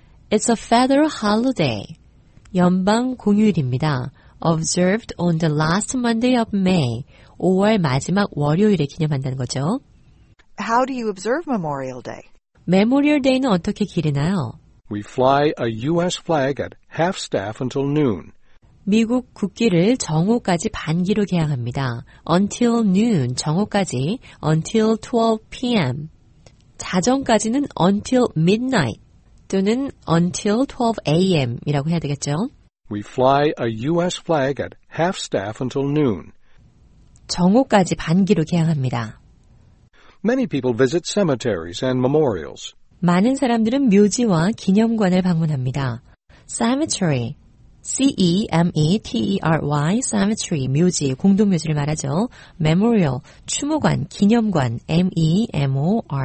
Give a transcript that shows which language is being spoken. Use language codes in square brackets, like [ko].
[en] It's a federal holiday, 연방 공휴일입니다. Observed on the last Monday of May, 5월 마지막 월요일에 기념한다는 거죠. How do you observe Memorial Day? [ko] Memorial Day는 어떻게 기리나요? [en] We fly a U.S. flag at half staff until noon. [ko] 미국 국기를 정오까지 반기로 개양합니다. [en] Until noon, 정오까지, until 12 p.m. 자정까지는 until midnight 또는 until 12 a.m. [ko] 이라고 해야 되겠죠. [en] We fly a U.S. flag at half staff until noon. [ko] 정오까지 반기로 개항합니다. [en] Many people visit cemeteries and memorials. [ko] 많은 사람들은 묘지와 기념관을 방문합니다. [en] Cemetery, C-E-M-E-T-E-R-Y, cemetery, 묘지, 공동묘지를 말하죠. Memorial, 추모관, 기념관, M-E-M-O-R-I-A-L.